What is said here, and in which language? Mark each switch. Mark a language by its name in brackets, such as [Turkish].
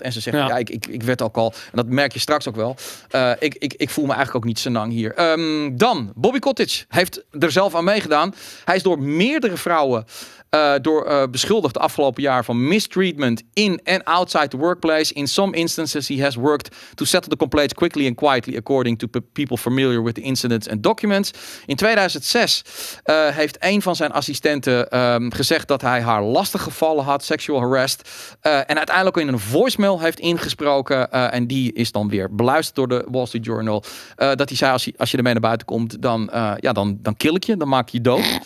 [Dutch] En ze zegt, ja ik werd ook al, en dat merk je straks ook wel, ik voel me eigenlijk ook niet zo lang hier. Dan, Bobby Cottage heeft er zelf aan meegedaan. Hij is door meerdere vrouwen beschuldigd afgelopen jaar van [English] mistreatment in [Dutch] en [English] outside the workplace. In some instances he has worked to settle the complaints quickly and quietly according to people familiar with the incidents and documents. [Dutch] In 2006 heeft een van zijn assistenten gezegd dat hij haar lastig gevallen had, [English] sexual harassed. [Dutch] En uiteindelijk in een voicemail heeft ingesproken en die is dan weer beluisterd door de Wall Street Journal. Dat hij zei, als je ermee naar buiten komt, dan kill ik je, dan maak ik je dood.